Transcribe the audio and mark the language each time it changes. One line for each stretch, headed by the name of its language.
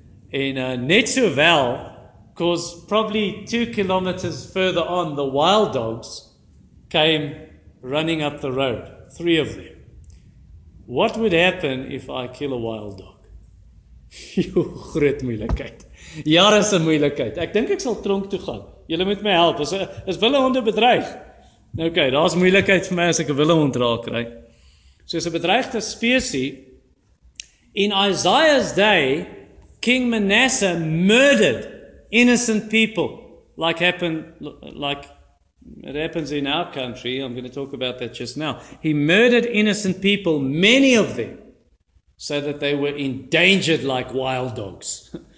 Afrikaans: En net so wel,
English: cause probably 2 kilometers further on, the wild dogs came running up the road. 3 of them. What would happen if I kill a wild dog?
Afrikaans: Groot moeilikheid. Jare se moeilikheid. Ek dink ek sal tronk toe gaan. Julle moet my help. Is wille honde bedreig? Nou okay, daar's moeilikheid vir my as ek 'n wille hond raak kry. So is 'n bedreigde spesie.
English: In Isaiah's day, King Manasseh murdered innocent people, like it happens in our country. I'm going to talk about that just now. He murdered innocent people, many of them, so that they were endangered like wild dogs.